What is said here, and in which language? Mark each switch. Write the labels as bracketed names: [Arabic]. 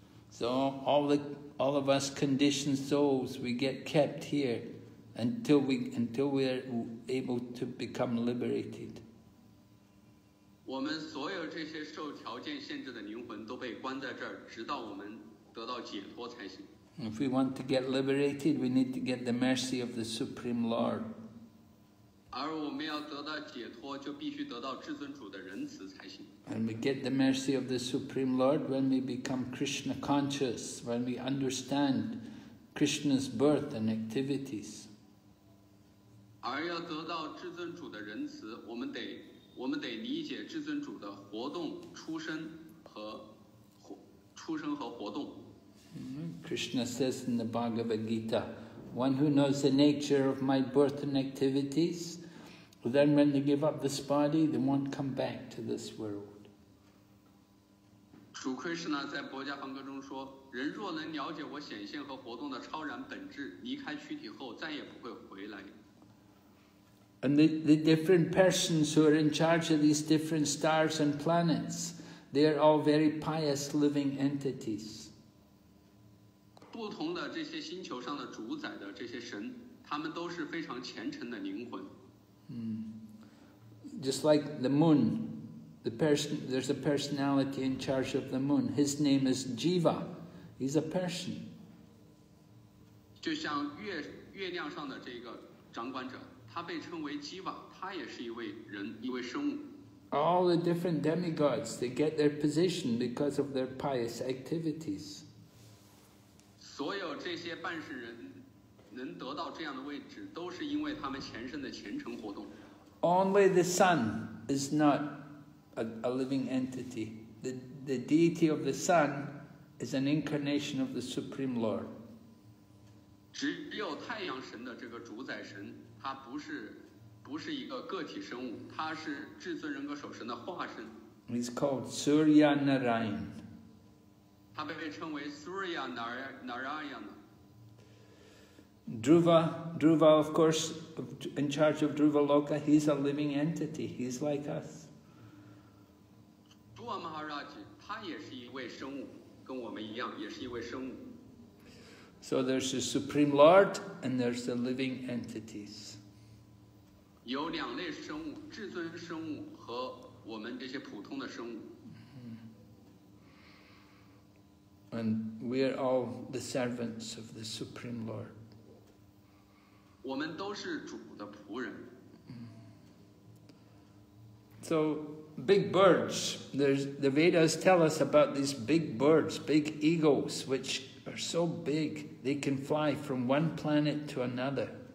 [English] So all of us conditioned souls, we get kept here until we are able to become liberated. [Chinese] 我们所有这些受条件限制的灵魂都被关在这儿，直到我们得到解脱才行。 [English] If we want to get liberated, we need to get the mercy of the Supreme Lord. [Chinese] 而我们要得到解脱，就必须得到至尊主的仁慈才行。 [English] And we get the mercy of the Supreme Lord when we become Krishna conscious, when we understand Krishna's birth and activities. [Chinese] 而要得到至尊主的仁慈，我们得理解至尊主的活动、出生和活动。 [English] Krishna says in the Bhagavad Gita, one who knows the nature of my birth and activities, then when they give up this body, they won't come back to this world. [Chinese] 主 Krishna 在《薄伽梵歌》中说，人若能了解我显现和活动的超然本质，离开躯体后再也不会回来。 [English] And the different persons who are in charge of these different stars and planets, they are all very pious living entities. [Chinese] 不同的这些星球上的主宰的这些神，他们都是非常虔诚的灵魂。 [English] Just like the moon, there's a personality in charge of the moon. His name is Jiva. He's a person. [Chinese] 就像月亮上的这个掌管者。他被称为基瓦，他也是一位人，一位生物。 [English] All the different demigods, they get their position because of their pious activities. [Chinese] 所有这些半世人能得到这样的位置，都是因为他们前生的虔诚活动。 [English] Only the sun is not a living entity. The deity of the sun is an incarnation of the Supreme Lord. [Chinese] 只有太阳神的这个主宰神。它不是一个个体生物，它是至尊人格首神的化身。 [English] It's called Surya Narayan. [Chinese] 它被称为 Surya Narayan. [English] Dhruva, of course, in charge of Dhruva Loka, he's a living entity. He's like us. [Chinese] Dhruva Maharaj, 他也是一位生物，跟我们一样，也是一位生物。 [English] So there's the Supreme Lord and there's the living entities. [Chinese] 有两类生物，至尊生物和我们这些普通的生物。 [English] And we are all the servants of the Supreme Lord. [Chinese] 我们都是主的仆人。 [English] So big birds, the Vedas tell us about these big birds, big eagles, which are so big, they can fly from one planet to another.